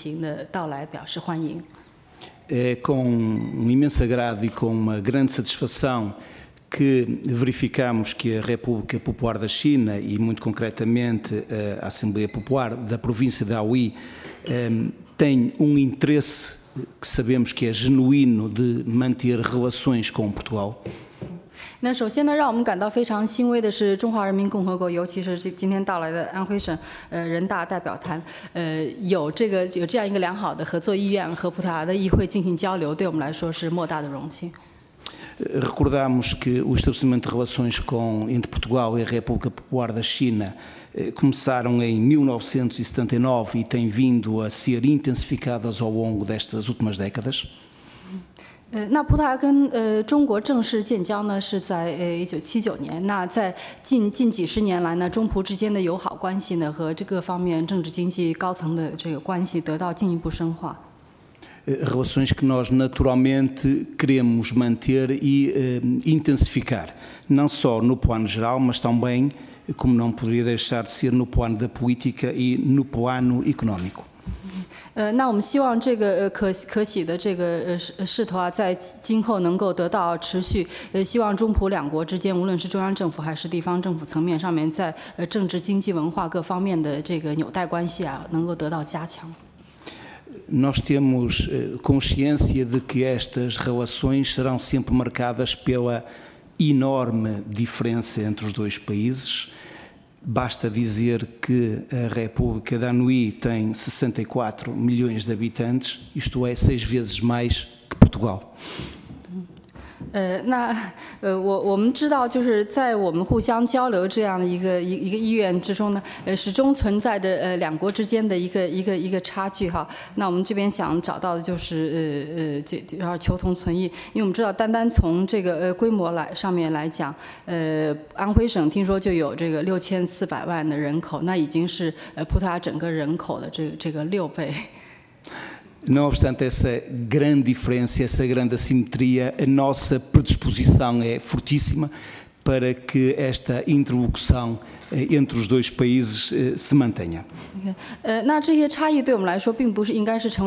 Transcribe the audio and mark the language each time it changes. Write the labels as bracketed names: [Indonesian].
[Chinese] 那接下来先给大家讲几句的是社会民主党的这个乔治奥利维拉先生，在他开始介绍葡萄牙情况之前，先再一次向安徽省人大代表团一行的到来表示欢迎。 [Portuguese] com um imenso agrado e com uma grande satisfação que verificamos que a República Popular da China e muito concretamente a Assembleia Popular da província de Anhui tem um interesse que sabemos que é genuíno de manter relações com Portugal. [Chinese] 那首先呢，让我们感到非常欣慰的是，中华人民共和国，尤其是今天到来的安徽省，人大代表团，有这样一个良好的合作意愿，和葡萄牙的议会进行交流，对我们来说是莫大的荣幸。 [Portuguese] Recordamos que o estabelecimento de relações entre Portugal e a República Popular da China começaram em 1979 e têm vindo a ser intensificadas ao longo destas últimas décadas. [Chinese] 那葡萄牙跟中国正式建交呢，是在1979年。那在近几十年来呢，中葡之间的友好关系呢，和这个方面政治经济高层的这个关系得到进一步深化。 [Portuguese] Relações que nós naturalmente queremos manter e intensificar, não só no plano geral, mas também, como não poderia deixar de ser, no plano da política e no plano económico. [Chinese] 那我们希望这个可喜的这个势头啊，在今后能够得到持续。希望中葡两国之间，无论是中央政府还是地方政府层面上面，在政治、经济、文化各方面的这个纽带关系啊，能够得到加强。 [Portuguese] Nós temos consciência de que estas relações serão sempre marcadas pela enorme diferença entre os dois países. Basta dizer que a República de Anhui tem 64 milhões de habitantes, isto é, 6 vezes mais que Portugal. [Chinese] 那我们知道，就是在我们互相交流这样的一个意愿之中呢，始终存在着两国之间的一个差距哈。那我们这边想找到的就是然后求同存异，因为我们知道，单单从这个规模来上面来讲，安徽省听说就有这个6400万的人口，那已经是葡萄牙整个人口的这个6倍。 [Portuguese] Não obstante essa grande diferença, essa grande assimetria, a nossa predisposição é fortíssima para que esta interlocução entre os dois países se mantenha. Okay. [Chinese] 那这些差异对我们来说并不是应该